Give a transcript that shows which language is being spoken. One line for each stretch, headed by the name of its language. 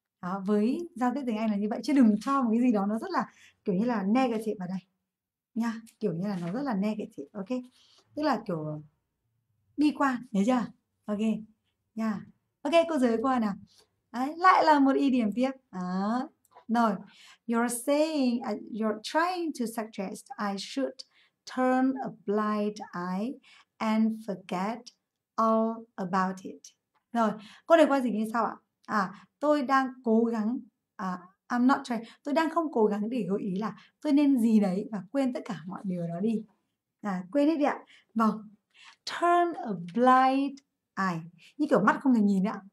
Vietnamese: Đó, với giao tiếp tiếng Anh là như vậy, chứ đừng cho một cái gì đó nó rất là kiểu như là negative vào đây nha, kiểu như là nó rất là negative. Ok, tức là kiểu bi quan nhớ chưa? Ok nha. Ok, cô giới qua nào. Đấy, lại là một idiom tiếp. Đó.
English: No, you're trying to suggest I should turn a blind eye and forget all about it.
Vietnamese: Rồi, câu này qua dịch như sao ạ? À, tôi đang cố gắng,
English: I'm not trying,
Vietnamese: tôi đang không cố gắng để gợi ý là tôi nên gì đấy và quên tất cả mọi điều đó đi. À, quên hết đi ạ. Vâng,
English: turn a blind eye,
Vietnamese: như kiểu mắt không thể nhìn ạ.